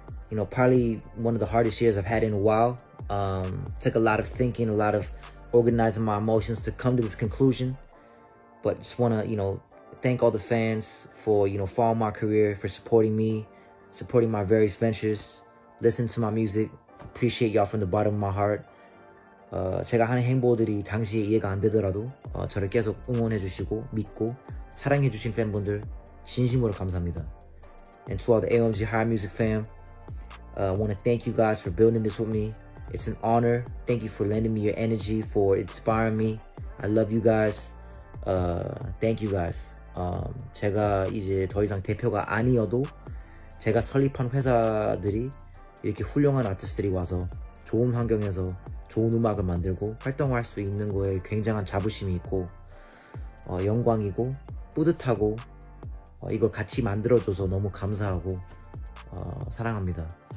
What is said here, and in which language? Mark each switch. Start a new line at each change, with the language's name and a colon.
English: You know, probably one of the hardest years I've had in a while. Took a lot of thinking, a lot of organizing my emotions to come to this conclusion. But just want to, you know, thank all the fans for, you know, following my career, for supporting me, supporting my various ventures, listening to my music. Appreciate y'all from the bottom of my heart.
Korean: 제가 하는 행보들이 당시에 이해가 안 되더라도 저를 계속 응원해 주시고 믿고 사랑해 주신 팬분들 진심으로 감사합니다.
English: And to all the AOMG High Music fam, I want to thank you guys for building this with me. It's an honor. Thank you for lending me your energy, for inspiring me. I love you guys. Thank you guys.
Korean: 제가 이제 더 이상 대표가 아니어도 제가 설립한 회사들이 이렇게 훌륭한 아티스트들이 와서 좋은 환경에서 좋은 음악을 만들고 활동할 수 있는 거에 굉장한 자부심이 있고 영광이고 뿌듯하고 이걸 같이 만들어줘서 너무 감사하고 사랑합니다.